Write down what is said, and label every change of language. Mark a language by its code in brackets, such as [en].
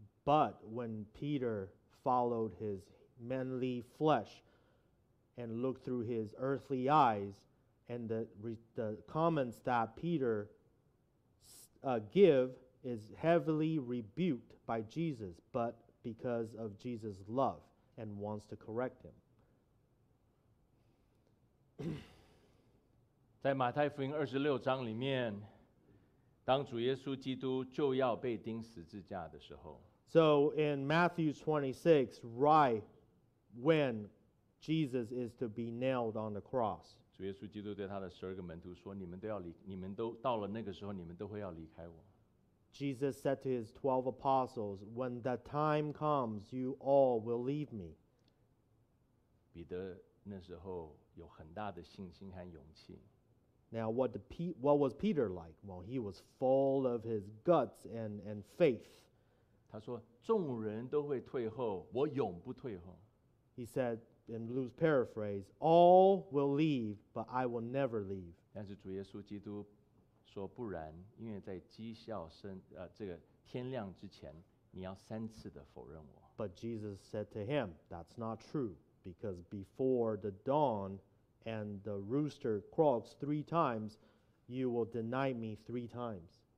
[en] But when Peter followed his manly flesh and looked through his earthly eyes, and the comments that Peter give is heavily rebuked by Jesus, but because of Jesus' love and wants to correct him. [zh] 在马太福音26章里面， 当主耶稣基督就要被钉十字架的时候， [en] So in Matthew 26, right when Jesus is to be nailed on the cross, [zh] 主耶稣基督对他的12个门徒说， 你们都到了那个时候，你们都会要离开我。 [en] Jesus said to his 12 apostles, when that time comes, you all will leave me. [zh] 彼得那时候 有很大的信心和勇气。 [en] Now, what was Peter like? Well, he was full of his guts and faith. [zh] 他说, 众人都会退后, 我永不退后。 [en] He said, in loose paraphrase, all will leave, but I will never leave. [zh] 但是主耶稣基督说不然, 因为在讥笑声, 这个天亮之前, 你要三次的否认我。 [en] But Jesus said to him, that's not true, because before the dawn, and the rooster crows 3 times, you will deny me 3 times.